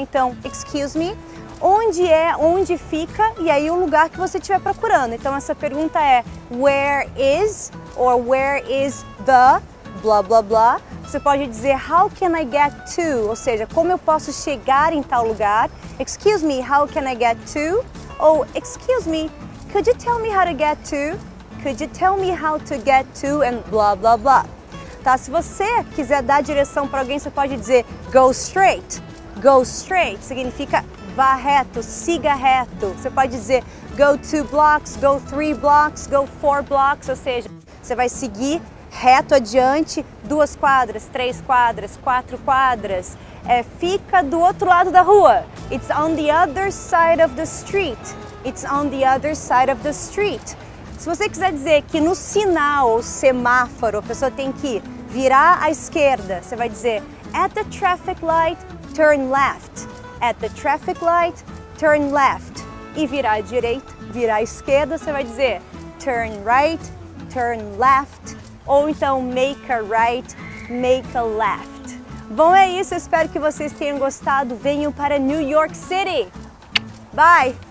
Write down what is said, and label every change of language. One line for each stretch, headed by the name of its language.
Portuguese: Então
English: excuse me,
Portuguese: onde é, onde fica, e aí o lugar que você estiver procurando. Então essa pergunta é
English: where is, or where is the,
Portuguese: blá blá blá. Você pode dizer
English: how can I get to,
Portuguese: ou seja, como eu posso chegar em tal lugar.
English: Excuse me, how can I get to? Ou excuse me, could you tell me how to get to? Could you tell me how to get to, and blá blá blá.
Portuguese: Tá, se você quiser dar direção para alguém, você pode dizer
English: go straight. Go straight
Portuguese: significa vá reto, siga reto. Você pode dizer
English: go two blocks, go three blocks, go four blocks,
Portuguese: ou seja, você vai seguir reto adiante, duas quadras, três quadras, quatro quadras. É, fica do outro lado da rua.
English: It's on the other side of the street. It's on the other side of the street.
Portuguese: Se você quiser dizer que no sinal, semáforo, a pessoa tem que virar à esquerda, você vai dizer
English: at the traffic light, turn left. At the traffic light, turn left.
Portuguese: E virar à direita, virar à esquerda, você vai dizer
English: turn right, turn left.
Portuguese: Ou então
English: make a right, make a left.
Portuguese: Bom, é isso. Espero que vocês tenham gostado. Venham para New York City. Bye!